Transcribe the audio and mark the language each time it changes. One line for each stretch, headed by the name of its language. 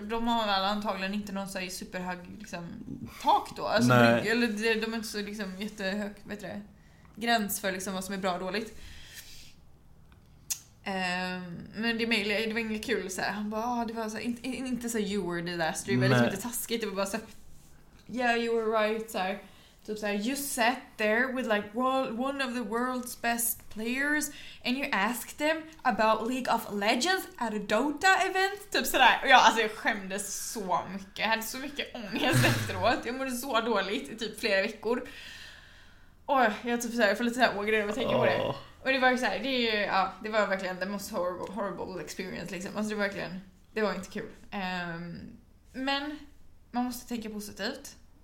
Swedish: De har väl antagligen inte någon så här superhög liksom, tak då. Alltså, eller de är inte så liksom, jättehög, vet du det, gräns för liksom, vad som är bra och dåligt. Men det mejl, det var inget kul. Så här. Han bara, det var så här, inte så här,
English: you were the last,
Swedish: det var liksom inte taskigt. Det var bara så här,
English: yeah, you were right.
Swedish: Så här. Typ så här,
English: you sat there with like one of the world's best players and you asked them about League of Legends at a Dota event.
Swedish: Typ sådär. Ja, alltså jag skämdes så mycket. Jag hade så mycket ångest efteråt. Jag mådde så dåligt i typ flera veckor. Och jag typ såhär, jag får lite såhär ågrar när jag tänker på det. Och det var såhär, det är ju, ja, det var verkligen
English: the most horrible experience
Swedish: liksom. Alltså det var verkligen, det var inte kul. Men man måste tänka positivt.